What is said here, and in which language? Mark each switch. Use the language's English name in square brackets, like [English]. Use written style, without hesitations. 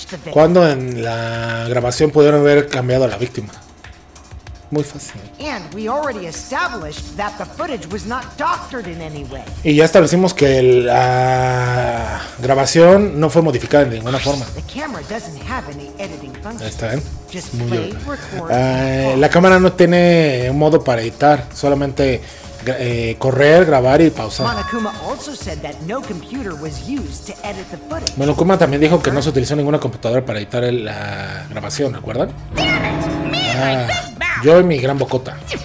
[Spanish] ¿Cuándo en la grabación pudieron haber cambiado a la víctima? Muy fácil. [English] And we already established that the footage was not doctored in any way. [Spanish] Y ya establecimos que la grabación no fue modificada de ninguna forma. [English] The camera doesn't have any editing functions. [Spanish] Está bien. [English] Just play, record, [Spanish] la cámara no tiene un modo para editar, solamente correr, grabar y pausar. [English] Monokuma also said that no computer was used to edit the footage. [Spanish] Monokuma también dijo que no se utilizó ninguna computadora para editar la grabación, ¿recuerdan? Yo y mi gran bocota.